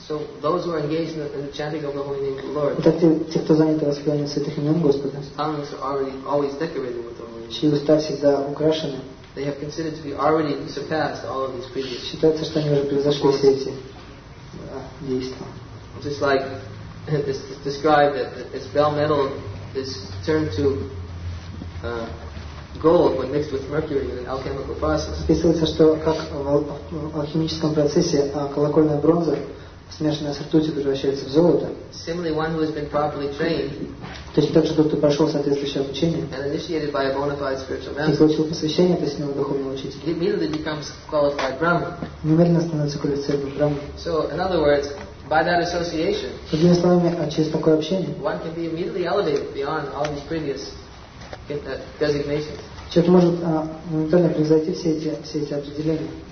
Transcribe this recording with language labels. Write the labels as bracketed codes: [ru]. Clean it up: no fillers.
[en] So those who are engaged in the chanting of the holy name of the Lord. [ru] Итак, те, кто заняты воспеванием святых имен Господа. [en] Tongues are already always decorated with them. [ru] Чьи уста всегда украшены. [en] They have considered to be already surpassed all of these previous. [ru] Считается, что они уже превзошли все эти действия. [en] Just like this described that this bell metal is turned to gold when mixed with mercury in an alchemical process. [ru] Описывается, что как в алхимическом процессе колокольная бронза, смешанная с ртутью, превращается в золото. [en] Similarly, one who has been properly trained. [ru] То есть так же, кто прошел соответствующее обучение [en] and initiated by a bona fide spiritual master, [ru] и получил посвящение от истинного духовного учителя, [en] he immediately becomes qualified brahman. [ru] Немедленно становится квалифицированным брахманом. [en] So, in other words, by that association, [ru] другими словами, через такое общение, [en] one can be immediately elevated beyond all these previous designations. [ru] Человек может моментально превзойти все эти определения.